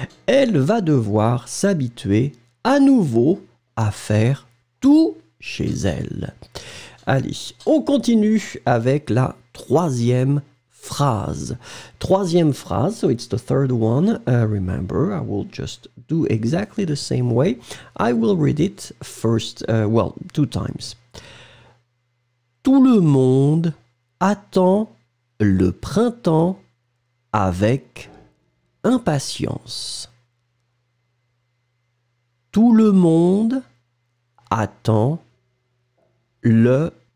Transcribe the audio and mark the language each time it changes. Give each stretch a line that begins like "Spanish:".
French: Elle va devoir s'habituer à nouveau à faire tout chez elle. Allez, on continue avec la troisième phrase. Troisième phrase,
English: so it's the third one. Remember, I will just do exactly the same way. I will read it first, two times.
French: Tout le monde attend le printemps avec impatience. Tout le monde attend le